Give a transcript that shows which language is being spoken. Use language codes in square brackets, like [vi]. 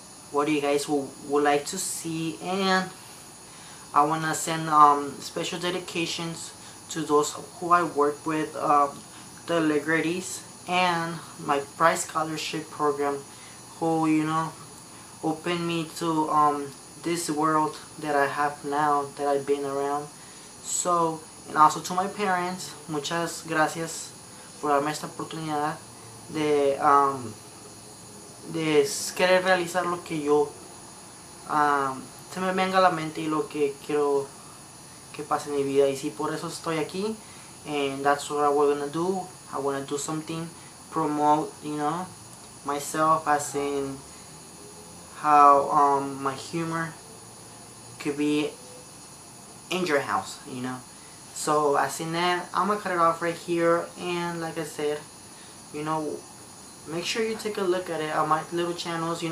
[en] What do you guys would like to see? And I want to send special dedications to those who I work with, the Legretis and my Prize Scholarship Program, who, you know, opened me to this world that I have now, that I've been around. So, and also to my parents, [es] muchas gracias por darme esta oportunidad de de querer realizar lo que yo se me venga a la mente y lo que quiero que pase en mi vida. Y si por eso estoy aquí, [en] and that's what I was gonna do. I wanna do something, promote, you know, myself, as in how my humor could be in your house, you know. So as in that, I'm gonna cut it off right here. And like I said, you know, make sure you take a look at it on my little channels.